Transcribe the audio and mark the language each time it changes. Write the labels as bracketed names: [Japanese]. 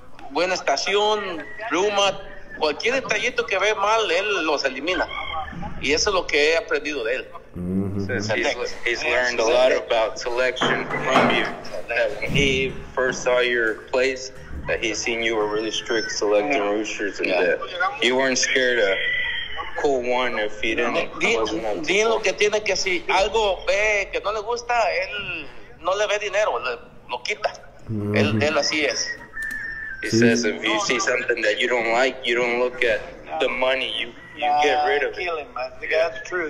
[Spanish] Buena estación, pluma, cualquier detallito que ve mal, él los elimina. Y eso es lo que he aprendido de él. [English] He's learned a lot about selection from you. That when he first saw your place, that he's seen you were really strict selecting roosters, and that you weren't scared of cool one if he didn't. [Spanish] Dile lo que tiene que si algo ve que no le gusta, él no le ve dinero, lo quita. Mm-hmm. Él así es. [English] He says, if you see something that you don't like, you don't look at the money, you get rid of it.